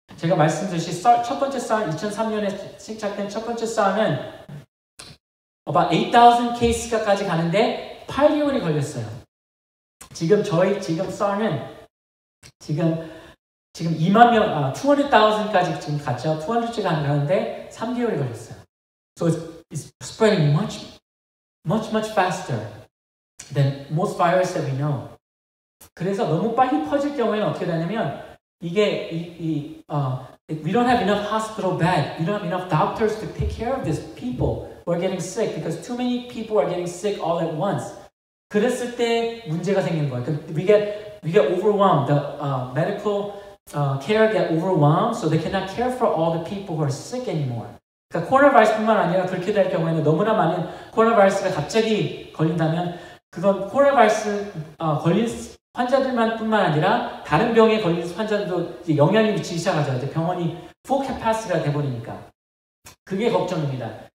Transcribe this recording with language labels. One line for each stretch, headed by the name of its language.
Korean: 제가 말씀드렸듯이 첫 번째 사항, 2003년에 시작된 첫 번째 사항은 about 8,000 케이스까지 가는데 8개월이 걸렸어요. 지금 저희 지금 사항은 지금 2만 명, 200,000까지 지금 갔죠. 200째가 안 가는데 3개월이 걸렸어요.
English: So it's spreading much, much, much faster than most viruses that we know.
Korean: 그래서 너무 빨리 퍼질 경우에는 어떻게 되냐면 이게
English: we don't have enough hospital bed. We don't have enough doctors to take care of these people who are getting sick because too many people are getting sick all at once.
Korean: 그랬을 때 문제가 생기는 거예요.
English: We get overwhelmed. The medical care get overwhelmed, so they cannot care for all the people who are sick anymore.
Korean: 그러니까 코로나바이러스뿐만 아니라 그렇게 될 경우에는 너무나 많은 코로나바이러스가 갑자기 걸린다면 그건 코로나바이러스 걸린 환자들만뿐만 아니라 다른 병에 걸린 환자들도 이제 영향이 미치기 시작하죠. 이제 병원이 full capacity가 돼버리니까 그게 걱정입니다.